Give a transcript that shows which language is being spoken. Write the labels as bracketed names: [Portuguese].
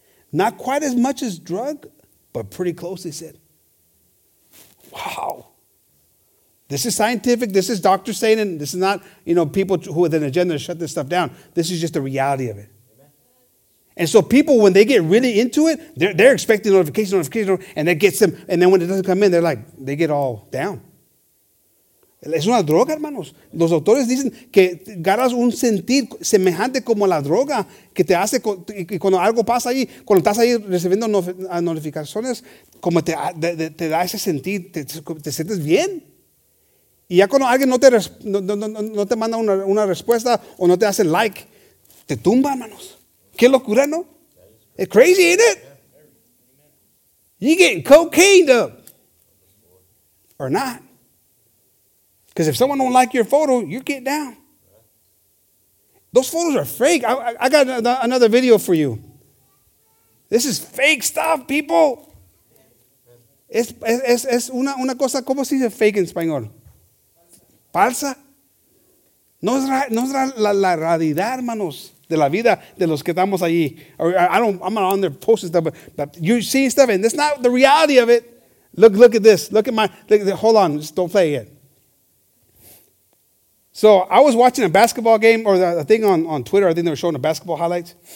[English] Not quite as much as drug, but pretty close, they said. Wow. This is scientific. This is doctors saying it. This is not, you know, people who with an agenda to shut this stuff down. This is just the reality of it. And so people, when they get really into it, they're expecting notification, and that gets them. And then when it doesn't come in, they're like, they get all down. [Spanish] Es una droga, hermanos. Los doctores dicen que agarras un sentir semejante como la droga que te hace, y cuando algo pasa ahí, cuando estás ahí recibiendo notificaciones, como te da ese sentir, te sientes bien. Y ya cuando alguien no te manda una respuesta o no te hace like, te tumba, hermanos. Qué locura, ¿no? [English] It's crazy, isn't it? You're getting cocaine up. Or not. Because if someone don't like your photo, you're getting down. Those photos are fake. I got another video for you. This is fake stuff, people. [Spanish] Es una cosa, ¿cómo se dice fake en español? Falsa. No es la realidad, hermanos, de la vida de los que estamos allí. [English] I'm not on there posting stuff, but you're seeing stuff, and that's not the reality of it. Look at this. Hold on. Just don't play it. So I was watching a basketball game or a thing on Twitter. I think they were showing the basketball highlights.